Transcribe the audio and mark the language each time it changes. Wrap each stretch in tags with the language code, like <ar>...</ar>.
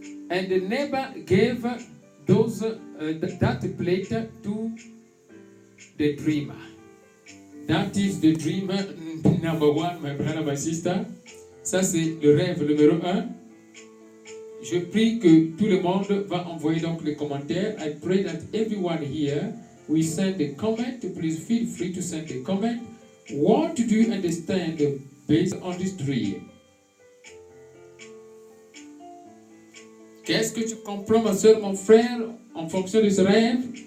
<en>And the neighbor gave that plate to the dreamer. That is the dream number one, my brother, my sister.</en> <fr>Ça, c'est le rêve numéro un. Je prie que tout le monde va envoyer donc les commentaires.</fr> <en>I pray that everyone here will send a comment. Please feel free to send a comment. What do you understand based on this dream?</en> <fr>Qu'est-ce que tu comprends, ma soeur, mon frère, en fonction de ce rêve?</fr>